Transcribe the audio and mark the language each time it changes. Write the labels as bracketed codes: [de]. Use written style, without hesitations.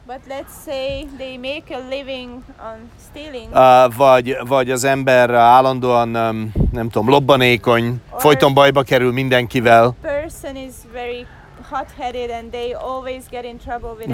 [en] but let's say they make a living on stealing, [hu] vagy az ember állandóan lobbanékony, folyton bajba kerül mindenkivel, [en] person is very hot-headed and they always get in trouble with